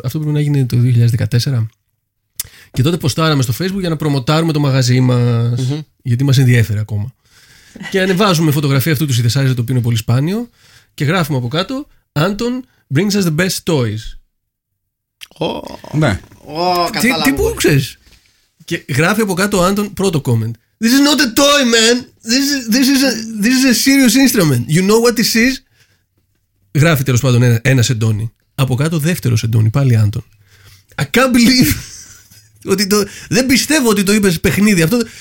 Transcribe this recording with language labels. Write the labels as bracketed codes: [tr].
[el] Αυτό πρέπει να γίνει το 2014. Και τότε ποστάραμε στο Facebook για να προμοτάρουμε το μαγαζί μας, γιατί μας ενδιέφερε ακόμα. Και ανεβάζουμε φωτογραφία αυτού του synthesizer, το οποίο είναι πολύ σπάνιο, και γράφουμε από κάτω, [en] Anton brings us the best toys. [el] Ναι. Τι που ξέρεις. Και γράφει από κάτω ο Άντων πρώτο comment. [en] This is not a toy, man. This is a serious instrument. You know what this is. [el] Γράφει τέλος πάντων ένα εντόνι. Από κάτω δεύτερο εντόνι, πάλι Άντων. [en] I can't believe. [el] Ότι το, δεν πιστεύω ότι το είπες παιχνίδι αυτό.